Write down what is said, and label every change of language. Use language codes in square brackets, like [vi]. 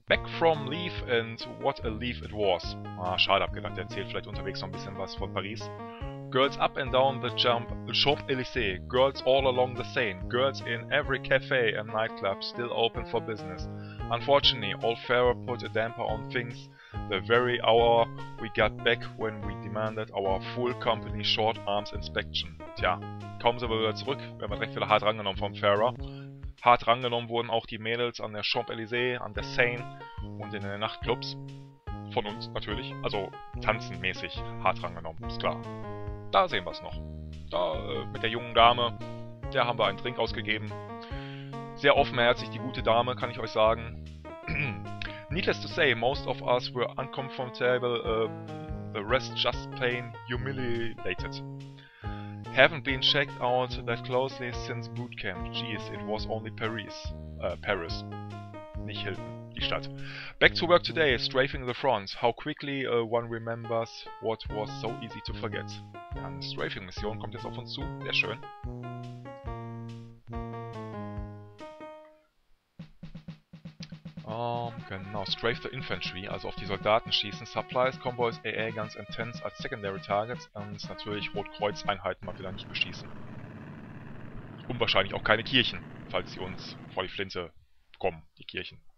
[en] Back from leave and what a leave it was. [de] Ah, schade, hab gedacht, der erzählt vielleicht unterwegs noch ein bisschen was von Paris. [en] Girls up and down the jump, Champs-Élysées, girls all along the Seine, girls in every cafe and nightclub still open for business. Unfortunately, old Pharaoh put a damper on things the very hour we got back when we demanded our full company short arms inspection. [de] Tja, kommen sie aber wieder zurück, wir haben recht wieder hart rangenommen vom Pharaoh. Hart rangenommen wurden auch die Mädels an der Champs-Élysées, an der Seine und in den Nachtclubs. Von uns natürlich, also tanzenmäßig hart rangenommen, ist klar. Da sehen wir es noch. Da mit der jungen Dame, der haben wir einen Drink ausgegeben. Sehr offenherzig, die gute Dame, kann ich euch sagen. [en] Needless to say, most of us were uncomfortable, the rest just plain humiliated. Haven't been checked out that closely since boot camp. Jeez, it was only Paris. Paris. [de] Nicht Hilton, die Stadt. [en] Back to work today, strafing the front. How quickly one remembers what was so easy to forget. [de] Eine Strafing-Mission kommt jetzt auf uns zu. Sehr schön. Genau, [en] strafe the infantry, [de] also auf die Soldaten schießen. [en] Supplies, Convoys, AA, Guns and Tents [de] als [en] Secondary Targets. [de] Und natürlich Rotkreuz-Einheiten mal wieder nicht beschießen. Und wahrscheinlich auch keine Kirchen, falls sie uns vor die Flinte kommen, die Kirchen.